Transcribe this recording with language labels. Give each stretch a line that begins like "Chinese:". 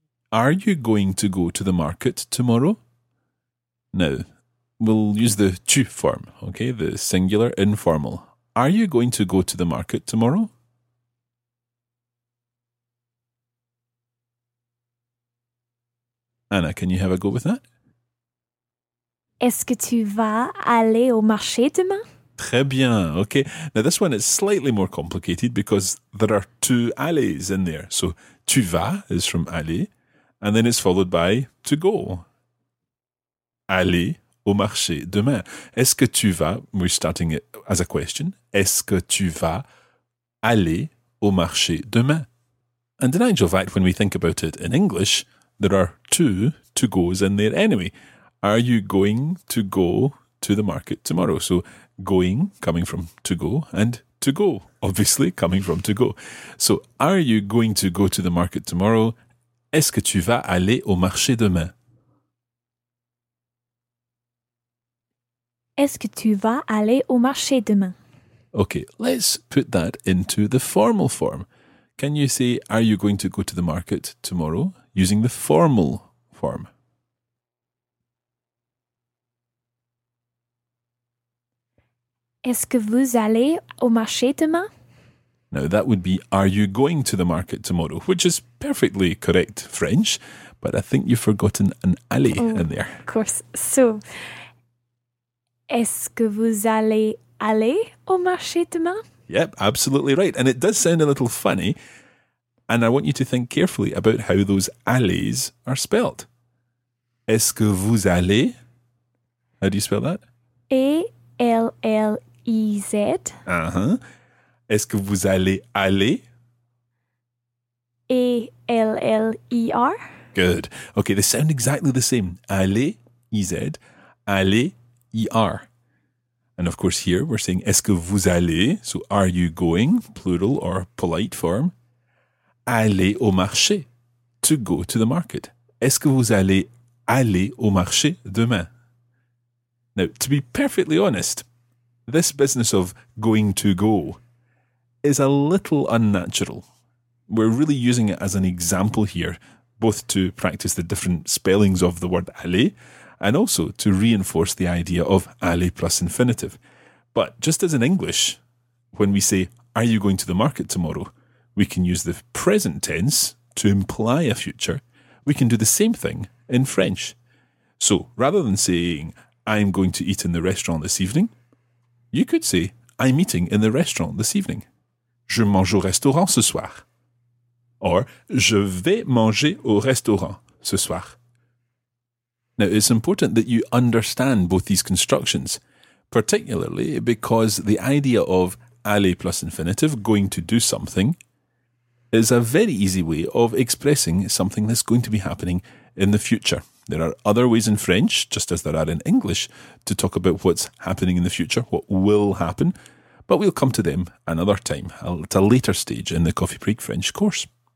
English: Are you going to go to the market tomorrow? Now, we'll use the tu form, okay? The singular informal. Are you going to go to the market tomorrow? Anna, can you have a go with that?
French: Est-ce que tu vas aller au marché demain? Très bien, ok.
English: Now this one is slightly more complicated because there are two allées in there. So,
French: tu vas
English: is from aller and then it's followed by to go.
French: Aller au marché demain. Est-ce que tu vas,
English: we're starting it as a question,
French: est-ce que tu vas aller au marché demain?
English: And in actual fact, when we think about it in English, there are two to goes in there anyway. Are you going to go to the market tomorrow? So going, coming from to go, and to go, obviously coming from to go. So are you going to go to the market tomorrow?
French: Est-ce que tu vas aller au marché demain? Est-ce que tu vas aller au marché demain?
English: Okay, let's put that into the formal form. Can you say, are you going to go to the market tomorrow using the formal form?
French: Est-ce que vous allez au marché demain?
English: Now that would be, are you going to the market tomorrow? Which is perfectly correct French, but I think you've forgotten an aller in there. Of course.
French: So, est-ce que vous allez aller au marché demain?
English: Yep, absolutely right. And it does sound a little funny. And I want you to think carefully about how those allées are spelt.
French: Est-ce que vous allez?
English: How do you spell that? A-L-L-E. E-Z. Uh-huh.
French: Est-ce que vous allez aller?
English: A-L-L-E-R. Good. Okay, they sound exactly the same.
French: Allez, EZ. Allez, ER.
English: And of course here we're saying,
French: est-ce que vous allez?
English: So are you going? Plural or polite form.
French: Allez au marché.
English: To go to the market.
French: Est-ce que vous allez aller au marché demain?
English: Now, to be perfectly honest, this business of going to go is a little unnatural. We're really using it as an example here, both to practice the different spellings of the word aller and also to reinforce the idea of aller plus infinitive. But just as in English, when we say, are you going to the market tomorrow? We can use the present tense to imply a future. We can do the same thing in French. So rather than saying, I'm going to eat in the restaurant this evening, you could say, I'm eating in the restaurant this evening.
French: Je mange au restaurant ce soir. Or, je vais manger au restaurant ce soir.
English: Now, it's important that you understand both these constructions, particularly because the idea of aller plus infinitive, going to do something, is a very easy way of expressing something that's going to be happening in the future. There are other ways in French, just as there are in English, to talk about what's happening in the future, what will happen, but we'll come to them another time, at a later stage in the Coffee Break French course.